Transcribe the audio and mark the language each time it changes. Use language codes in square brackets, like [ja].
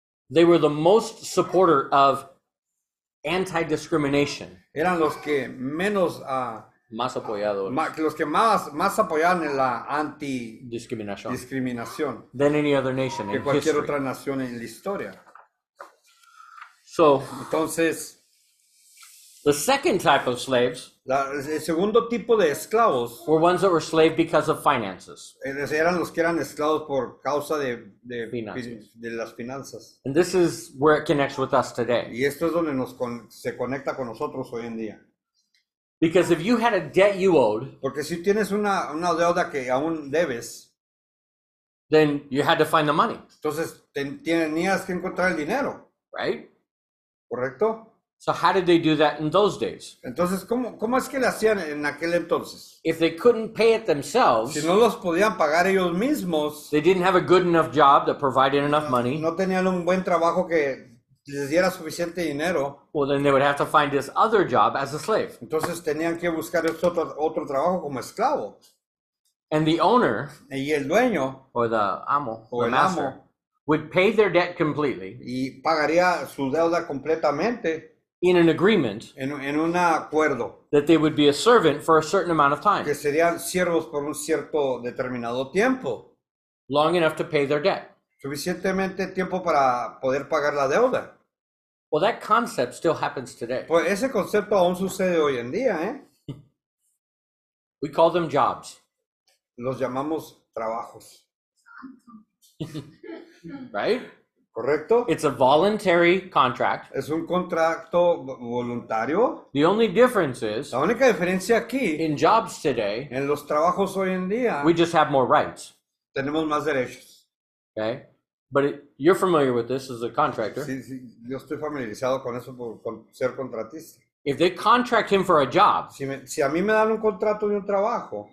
[en] They were the most supporter of anti-discrimination. [es] Eran los que menos más apoyados. Los que más apoyaban en la anti-discriminación. [en] Than any other nation [es] que [en] in [es] cualquier [en] history. [es] Otra nación en la historia. [en] So, [es] entonces, [en] the second type of slaves, [es] el segundo tipo de esclavos, [en] were ones that were slave because of finances. [es] Eran los que eran esclavos por causa de finanzas. De las finanzas. [en] And this is where it connects with us today. [es] Y esto es donde se conecta con nosotros hoy en día. [en] Because if you had a debt you owed, [es] porque si tienes una deuda que aún debes, [en] then you had to find the money. [es] Entonces tenías que encontrar el dinero. [en] Right? [es] Correcto. [en] So how did they do that in those days? [es] Entonces, ¿cómo es que le hacían en aquel entonces? [en] If they couldn't pay it themselves, [es] si no los podían pagar ellos mismos, [en] they didn't have a good enough job that provided enough money, [es] no tenían un buen trabajo que les diera suficiente dinero, [en] well, then they would have to find this other job as a slave. [es] Entonces, tenían que buscar otro trabajo como esclavo. [en] And the owner, [es] y el dueño, [en] or the amo, [es] o [en] the [es] el [en] master, [es] amo, [en] would pay their debt completely, [es] y pagaría su deuda completamente, [en] in an agreement [es] en un acuerdo, [en] that they would be a servant for a certain amount of time. [es] Que serían siervos por un cierto determinado tiempo. [en] Long enough to pay their debt. [es] Suficientemente tiempo para poder pagar la deuda. [en] Well, that concept still happens today. [es] Pues ese concepto aún sucede hoy en día, ¿eh? [en] We call them jobs. [es] Los llamamos trabajos. [en] Right? [es] Correcto. [en] It's a voluntary contract. [es] Es un contrato voluntario. [en] The only difference is, [es] la única diferencia aquí, [en] in jobs today, [es] en los trabajos hoy en día, [en] we just have more rights. [es] Tenemos más derechos. [en] Okay? But you're familiar with this as a contractor. [es] Sí, sí, yo estoy familiarizado con eso por ser contratista. [en] If they contract him for a job, [es] si a mí me dan un contrato de un trabajo,